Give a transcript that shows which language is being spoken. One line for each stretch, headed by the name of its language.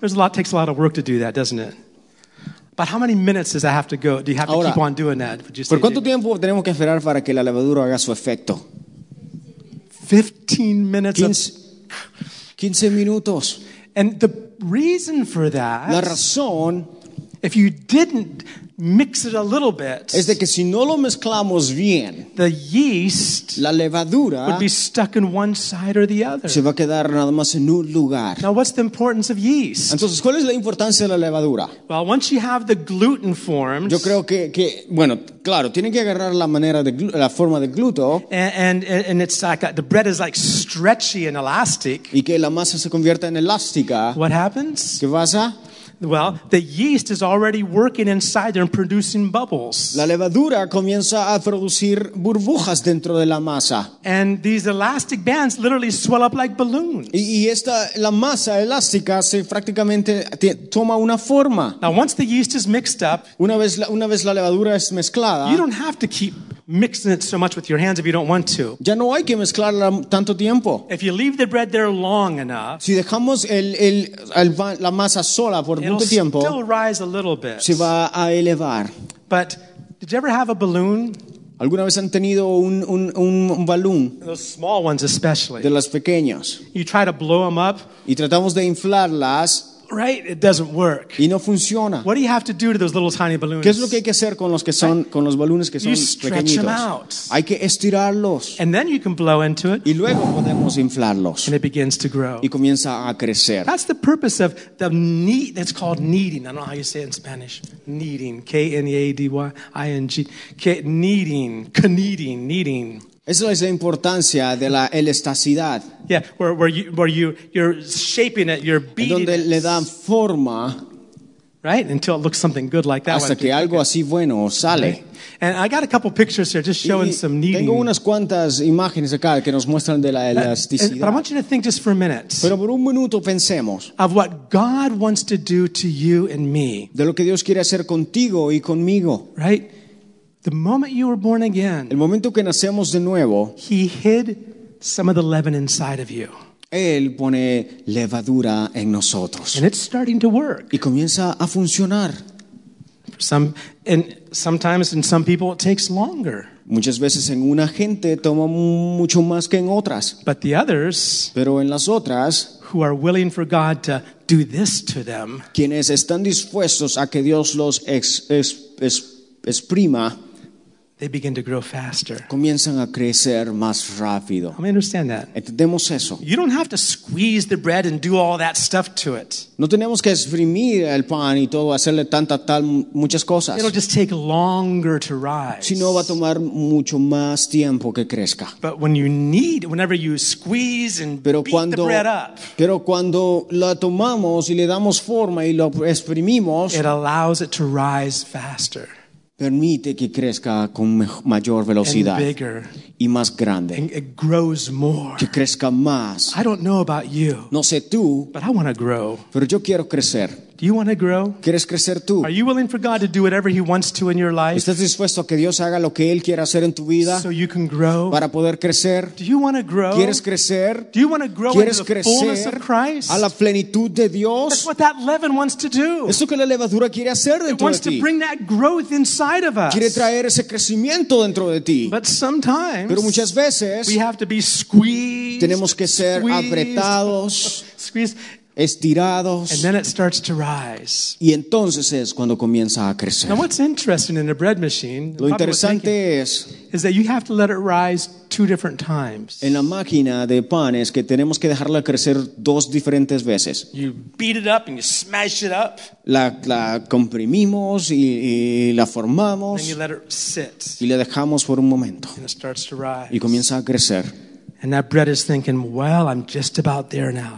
English: takes a lot of work to do that, doesn't it? But how many minutes does that have to go? Do you have
Spanish: Ahora,
English: to keep on doing that?
Spanish: ¿Por cuánto tiempo tenemos que esperar para que la levadura haga su efecto?
English: 15 minutes.
Spanish: 15 minutos.
English: And the reason for that.
Spanish: La razón.
English: If you didn't mix it a little bit.
Spanish: Es de que si no lo mezclamos bien.
English: The yeast.
Spanish: La levadura.
English: Would be stuck in one side or the other.
Spanish: Se va a quedar nada más en un lugar.
English: Now what's the importance of yeast?
Spanish: Entonces, ¿cuál es la importancia de la levadura?
English: Well, once you have the gluten formed.
Spanish: Yo creo que bueno, claro, tiene que agarrar la manera de la forma de gluto.
English: And it's like the bread is like stretchy and elastic.
Spanish: Y que la masa se convierta en elástica.
English: What happens?
Spanish: ¿Qué pasa?
English: Well, the yeast is already working inside there and producing bubbles.
Spanish: La levadura comienza a producir burbujas dentro de la masa.
English: And these elastic bands literally swell up like balloons.
Spanish: Y esta la masa elástica se prácticamente toma una forma.
English: Now, once the yeast is mixed up,
Spanish: una vez la levadura es mezclada,
English: you don't have to keep mixing it so much with your hands if you don't want to.
Spanish: Ya no hay que mezclarla tanto tiempo.
English: If you leave the bread there long enough,
Spanish: si dejamos la masa sola por mucho tiempo,
English: it'll still rise a little bit.
Spanish: Se va a elevar.
English: But did you ever have a balloon?
Spanish: ¿Alguna vez han tenido un balloon?
English: Those small ones especially.
Spanish: De las pequeñas.
English: You try to blow them up.
Spanish: Y tratamos de inflarlas.
English: Right, it doesn't work.
Spanish: Y no funciona.
English: What do you have to do to those little tiny balloons?
Spanish: ¿Qué es lo que hay que hacer con los que son con los balones que son pequeñitos?
English: You stretch them out.
Spanish: Hay que estirarlos.
English: And then you can blow into it.
Spanish: Y luego podemos inflarlos.
English: And it begins to grow.
Spanish: Y comienza a crecer.
English: That's the purpose of the knead. That's called kneading. I don't know how you say it in Spanish. Kneading. K-N-E-A-D-Y-I-N-G. Kneading. Kneading. Kneading.
Spanish: Esa es la importancia de la elasticidad.
English: Yeah, where you're shaping it, you're beating it.
Spanish: Donde le dan forma,
English: right? Until it looks something good like that.
Spanish: Hasta que algo así bueno sale.
English: And I got a couple pictures here, just showing some kneading.
Spanish: Tengo unas cuantas imágenes acá que nos muestran de la elasticidad.
English: But I want you to think just for a minute.
Spanish: Pero por un minuto pensemos.
English: Of what God wants to do to you and me.
Spanish: De lo que Dios quiere hacer contigo y conmigo.
English: Right. The moment you were born again,
Spanish: el momento que nacemos de nuevo,
English: he hid some of the leaven inside of you.
Spanish: Él pone levadura en nosotros.
English: And it's starting to work.
Spanish: Y comienza a funcionar.
English: Sometimes in some people it takes longer.
Spanish: Muchas veces en una gente toma mucho más que en otras.
English: But the others,
Spanish: pero en las otras,
English: who are willing for God to do this to them,
Spanish: quienes están dispuestos a que Dios los exprima,
English: they begin to grow faster.
Spanish: Comienzan a crecer más rápido.
English: Let me understand that.
Spanish: Entendemos eso.
English: You don't have to squeeze the bread and do all that stuff to it.
Spanish: No tenemos que exprimir el pan y todo, hacerle tal muchas cosas.
English: It'll just take longer to rise.
Spanish: Sino va a tomar mucho más tiempo que crezca.
English: But whenever you squeeze and beat the bread up.
Spanish: Pero cuando la tomamos y le damos forma y lo exprimimos.
English: It allows it to rise faster.
Spanish: Permite que crezca con mayor velocidad y más grande.
English: And it grows more.
Spanish: Que crezca más.
English: I don't know about you,
Spanish: no sé tú,
English: but I want to grow.
Spanish: Pero yo quiero crecer.
English: Do you want to grow?
Spanish: ¿Quieres crecer tú?
English: Are you willing for God to do whatever He wants to in your life?
Spanish: ¿Estás dispuesto a que Dios haga lo que Él quiera hacer en tu vida?
English: So you can grow.
Spanish: Para poder crecer.
English: Do you want to grow?
Spanish: ¿Quieres crecer?
English: Do you want to grow
Spanish: ¿Quieres
English: into
Spanish: crecer
English: the fullness of Christ?
Spanish: A la plenitud de Dios.
English: That's what that leaven wants to do.
Spanish: Es lo que la levadura quiere hacer dentro de ti.
English: It wants to bring that growth inside of us.
Spanish: Quiere traer ese crecimiento dentro de ti.
English: But sometimes,
Spanish: pero muchas veces,
English: we have to be squeezed.
Spanish: Tenemos que ser
English: squeezed,
Spanish: apretados.
English: Squeezed.
Spanish: Estirados.
English: And then it starts to rise.
Spanish: Y entonces es cuando comienza a crecer.
English: Now what's interesting in a bread machine?
Spanish: Lo interesante es
English: is that you have to let it rise two different times.
Spanish: En la máquina de pan es que tenemos que dejarla crecer dos diferentes veces.
English: You beat it up and you smash it up.
Spanish: La comprimimos y la formamos.
English: And then you let it sit.
Spanish: Y la dejamos por un momento.
English: And it starts to rise.
Spanish: Y comienza a crecer.
English: And that bread is thinking, well, I'm just about there now.